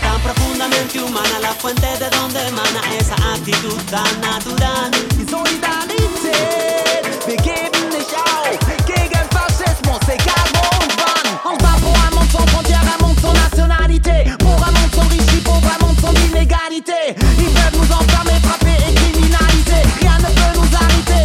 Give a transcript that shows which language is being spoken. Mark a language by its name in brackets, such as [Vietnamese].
[Spanish] Tan profundamente humana, la fuente de donde emana esa actitud tan natural. [German] Solidarité. Wir geben nicht auf. Gegen Faschismus, egal wo und wann. [French] On se bat pour un monde sans frontières, un monde sans nationalité. Pour un monde sans riche, pour un monde sans inégalité. Ils peuvent nous enfermer, frapper et criminaliser. Rien ne peut nous arrêter.